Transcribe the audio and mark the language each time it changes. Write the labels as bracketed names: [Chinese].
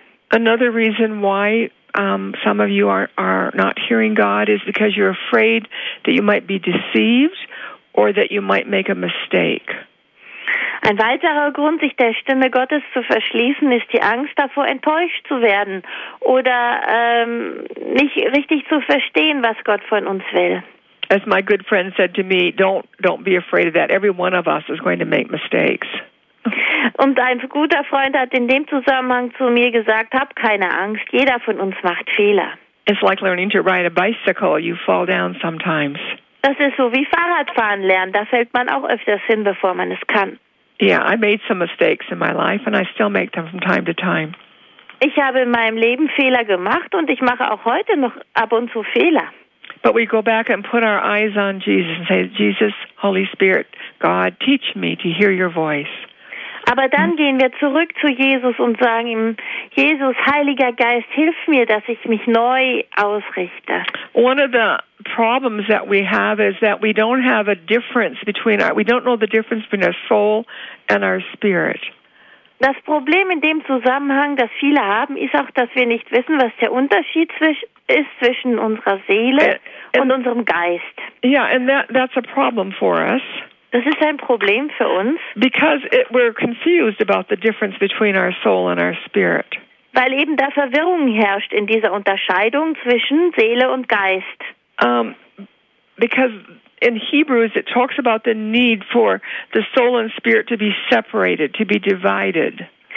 [English] Another reason why some of you are not hearing God is because you're afraid that you might be deceived. Or that you might make a mistake. [German] Ein weiterer Grund, sich der Stimme Gottes zu verschließen, ist die Angst davor, enttäuscht zu werden oder nicht richtig zu verstehen, was Gott von uns will. [English] As my good friend said to me, don't be afraid of that. Every one of us is going to make mistakes. [German] Und ein guter Freund hat in dem Zusammenhang zu mir gesagt, hab keine Angst, jeder von uns macht Fehler. [English] It's like learning to ride a bicycle. You fall down sometimes. [German] Das ist so wie Fahrradfahren lernen. Da fällt man auch öfters hin, bevor man es kann. [English] Yeah, I made some mistakes in my life and I still make them from time to time. [German] Ich habe in meinem Leben Fehler gemacht und ich mache auch heute noch ab und zu Fehler. [English] But we go back and put our eyes on Jesus and say, Jesus, Holy Spirit, God, teach me to hear your voice. [German] Aber dann gehen wir zurück zu Jesus und sagen ihm, Jesus, Heiliger Geist, hilf mir, dass ich mich neu ausrichte. [English] One of the problems that we have is that we don't have a difference between our, we don't know the difference between our soul and our spirit. [German] Das Problem in dem Zusammenhang, das viele haben, ist auch, dass wir nicht wissen, was der Unterschied ist zwischen unserer Seele und unserem Geist. [English] Yeah, and that's a problem for us. [German] Das ist ein Problem für uns. [English] Because we're confused about the difference between our soul and our spirit. [German] Weil eben da Verwirrung herrscht in dieser Unterscheidung zwischen Seele und Geist. [English] Because in Hebrews it talks about the need for the soul and spirit to be separated, to be divided.